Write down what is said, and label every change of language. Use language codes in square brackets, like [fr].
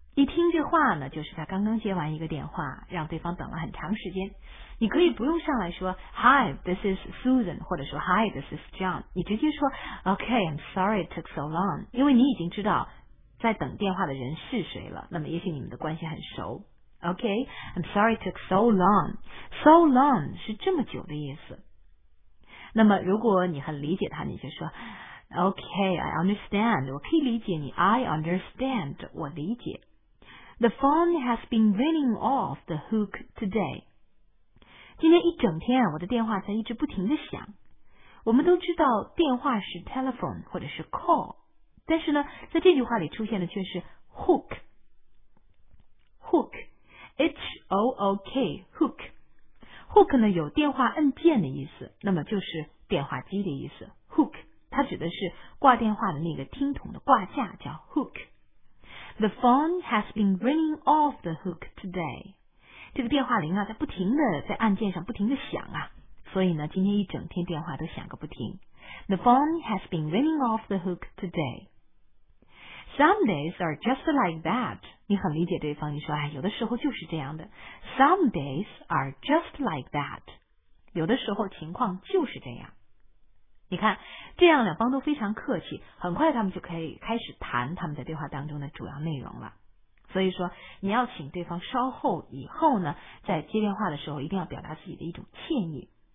[zh] 一听这话呢，就是他刚刚接完一个电话，让对方等了很长时间。你可以不用上来说 [en] Hi, this is Susan, [zh] 或者说 [en] Hi, this is John. [zh] 你直接说 [en] Okay, I'm sorry it took so long. [zh] 因为你已经知道在等电话的人是谁了，那么也许你们的关系很熟。 [en] Okay, I'm sorry it took so long. [zh] So long 是这么久的意思。那么如果你很理解他，你就说 [en] Okay, I understand. [zh] 我可以理解你。 [en] I understand. [zh] 我理解。 [en] The phone has been ringing off the hook today. [zh] 今天一整天我的电话才一直不停地响。我们都知道电话是 telephone 或者是 call, 但是呢在这句话里出现的却是 hook。 [en] Hook, H-O-O-K, hook. [zh] Hook 呢有电话按键的意思，那么就是电话机的意思。 Hook, 它指的是挂电话的那个听筒的挂架叫 hook。 [en] The phone has been ringing off the hook today. [zh] 这个电话铃啊在不停的在按键上不停的响啊，所以呢今天一整天电话都响个不停。 [en] The phone has been ringing off the hook today. Some days are just like that. [zh] 你很理解对方，你说哎，有的时候就是这样的。 [en] Some days are just like that. [zh] 有的时候情况就是这样。你看，这样两方都非常客气，很快他们就可以开始谈他们在对话当中的主要内容了。所以说，你要请对方稍后以后呢，在接电话的时候一定要表达自己的一种歉意。